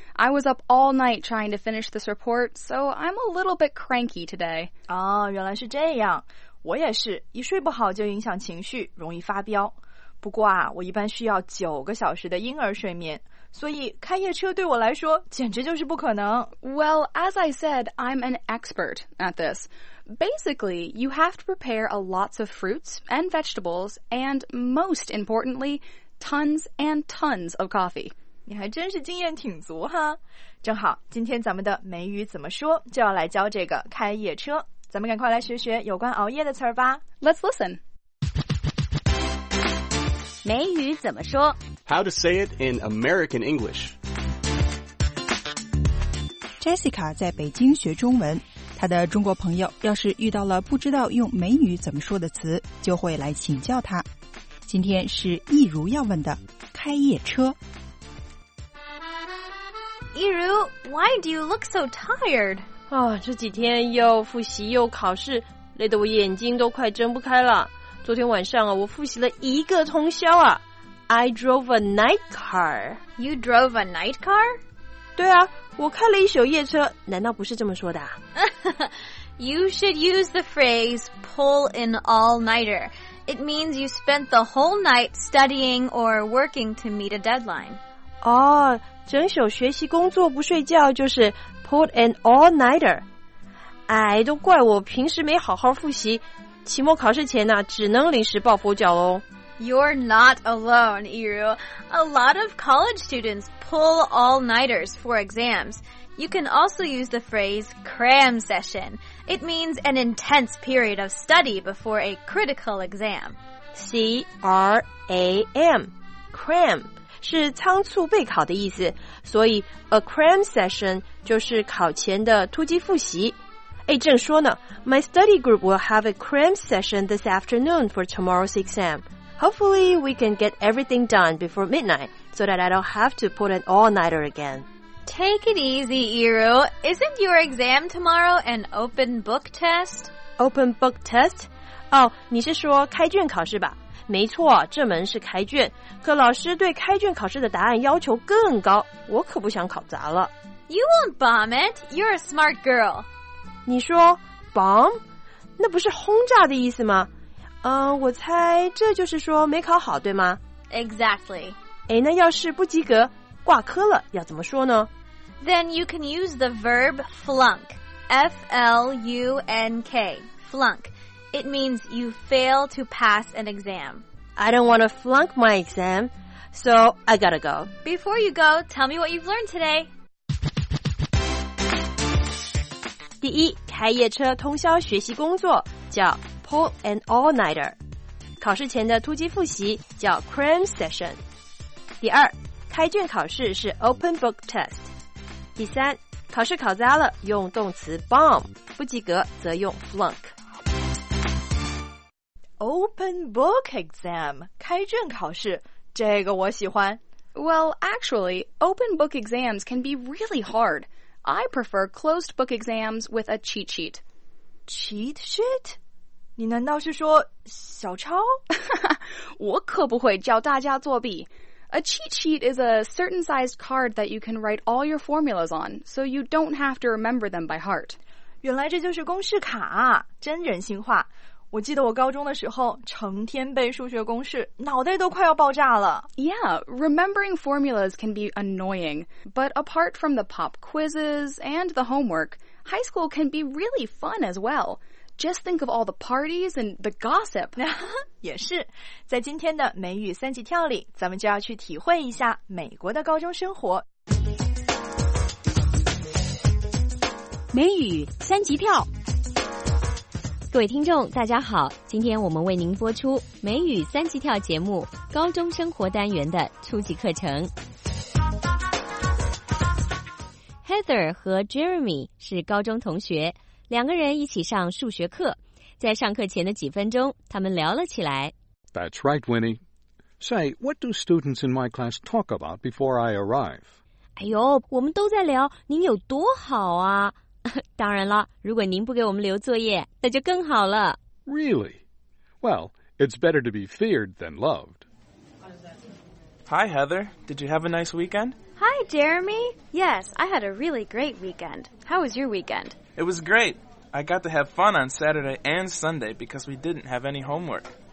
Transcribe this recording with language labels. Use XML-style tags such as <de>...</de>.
<en>I was up all night trying to finish this report, so I'm a little bit cranky today.</en> <zh>哦，原来是这样。我也是，一睡不好就影响情绪，容易发飙。不过啊，我一般需要9个小时的婴儿睡眠，所以开夜车对我来说简直就是不可能。</zh> <en>Well, as I said, I'm an expert at this. Basically, you have to prepare a lots of fruits and vegetables, and most importantly, tons and tons of coffee.</en> <zh>你还真是经验挺足哈。正好，今天咱们的美语怎么说就要来教这个开夜车，咱们赶快来学学有关熬夜的词儿吧。</zh> <en>Let's listen.</en> <zh>美语怎么说?</zh> <en>How to say it in American English.</en> <zh>Jessica 在北京学中文，她的中国朋友要是遇到了不知道用美语怎么说的词，就会来请教她。今天是一如要问的开夜车。</zh> <en>一如, why do you look so tired?</en> <zh>啊，这几天又复习又考试，累得我眼睛都快睁不开了。昨天晚上啊，我复习了一个通宵啊。</zh> <en>I drove a night car. You drove a night car?</en> <zh>对啊，我开了一宿夜车，难道不是这么说的？</zh> <en>You should use the phrase pull an all-nighter. It means you spent the whole night studying or working to meet a deadline.</en> <zh>哦，整宿学习工作不睡觉就是</zh> <en>pull an all-nighter.</en> <zh>哎，都怪我平时没好好复习。期末考试前呢，只能临时抱佛脚喽。</zh> <en>You're not alone, Iru. A lot of college students pull all-nighters for exams. You can also use the phrase cram session. It means an intense period of study before a critical exam. C-R-A-M, cram,</en> <zh>是仓促备考的意思，所以</zh> <en>a cram session</en> <zh>就是考前的突击复习。哎，正说呢，</zh> <en>My study group will have a cram session this afternoon for tomorrow's exam. Hopefully we can get everything done before midnight so that I don't have to put an all-nighter again. Take it easy, Iru. Isn't your exam tomorrow an open book test? Open book test?</en> <zh>哦，你是说开卷考试吧？没错，这门是开卷，可老师对开卷考试的答案要求更高，我可不想考砸了。</zh> <en>You won't bomb it. You're a smart girl.</en> <zh>你说 bomb? 那不是轰炸的意思吗？我猜这就是说没考好，对吗？</zh> <en>Exactly.</en> <zh>诶，那要是不及格，挂科了，要怎么说呢？</zh> <en>Then you can use the verb flunk. F-L-U-N-K. Flunk. It means you fail to pass an exam. I don't want to flunk my exam, so I gotta go. Before you go, tell me what you've learned today.</en> <zh>第一，开夜车通宵学习工作叫</zh> <en>pull an all-nighter.</en> <zh>考试前的突击复习叫</zh> <en>cram session.</en> <zh>第二，开卷考试是</zh> <en>open book test.</en> <zh>第三，考试考砸了用动词 bomb, 不及格则用 flunk.</zh> <en>Open book exam,</en> <zh>开卷考试，这个我喜欢。</zh> <en>Well, actually, open book exams can be really hard. I prefer closed book exams with a cheat sheet. Cheat sheet?</en> <zh>你难道是说小抄？我可不会教大家作弊。</zh> <en>A cheat sheet is a certain sized card that you can write all your formulas on, so you don't have to remember them by heart.</en> <zh>原来这就是公式卡啊，真人性化。我记得我高中的时候成天背数学公式，脑袋都快要爆炸了。</zh> <en>Yeah, remembering formulas can be annoying, but apart from the pop quizzes and the homework, high school can be really fun as well. Just think of all the parties and the gossip.</en> <zh>也是，在今天的美语三级跳里，咱们就要去体会一下美国的高中生活。美语三级跳，各位听众大家好，今天我们为您播出美语三级跳节目高中生活单元的初级课程。 Heather 和 Jeremy 是高中同学，两个人一起上数学课，在上课前的几分钟他们聊了起来。</zh> <en>That's right, Winnie. Say, what do students in my class talk about before I arrive?</en> <zh>哎呦，我们都在聊您有多好啊。当然了，如果您不给我们留作业，那就更好了。</zh> <en>Really? Well, it's better to be feared than loved. Hi, Heather. Did you have a nice weekend? Hi, Jeremy. Yes, I had a really great weekend. How was your weekend? It was great. I got to have fun on Saturday and Sunday because we didn't have any homework.</en>